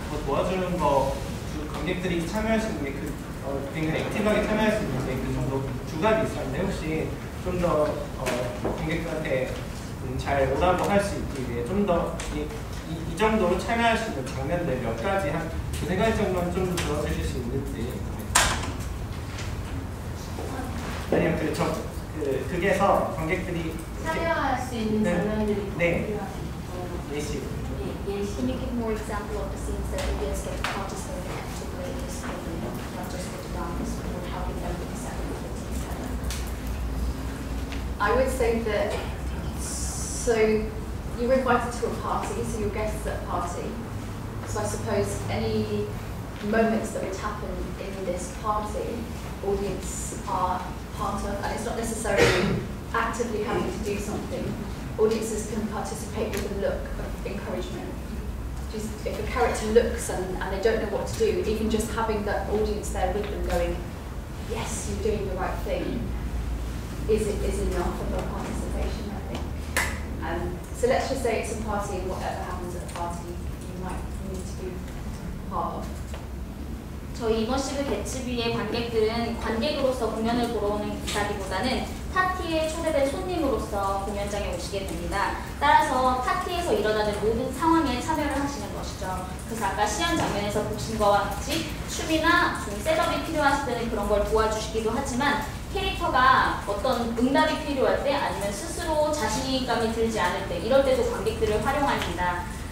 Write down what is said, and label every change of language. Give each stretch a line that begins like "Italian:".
Korean: 그거 도와주는 거 관객들이 참여할 수 있는 그 굉장히 액티브하게 참여할 수 있는 그 정도 주관이 있었는데 혹시 좀 더 관객들한테 잘 오답을 할 수 있기 위해 좀 더 이 정도로 참여할 수 있는 장면들 몇 가지 한 두세 가지 정도만 좀 들어주실 수 있는지 아니면 극에서 관객들이 참여할 수 있는 장면들이 네. 필요하죠. 예시.
English: Can you give more example of the scenes that the guests get participating actively in this movie, not just with the dancers, but helping them with the celebrities? I would say that, so you're invited to a party, so your guests at a party. So I suppose any moments that would happen in this party, audience are part of, and it's not necessarily actively having to do something. Audiences can participate with a look of encouragement. Just if a character looks and they don't know what to do, even just having that audience there with them going, yes, you're doing the right thing, is enough of a participation, I think. So let's just say it's a party and whatever happens at a party, you might need to be part of.
Korean: 저희 이머시브 개츠비의 관객들은 관객으로서 공연을 보러 오는 기사기보다는 파티에 초대된 손님으로서 공연장에 오시게 됩니다. 따라서 파티에서 일어나는 모든 상황에 참여를 하시는 것이죠. 그래서 아까 시연 장면에서 보신 것과 같이 춤이나 좀 셋업이 필요하실 때는 그런 걸 도와주시기도 하지만 캐릭터가 어떤 응답이 필요할 때 아니면 스스로 자신감이 들지 않을 때 이럴 때도 관객들을 활용합니다.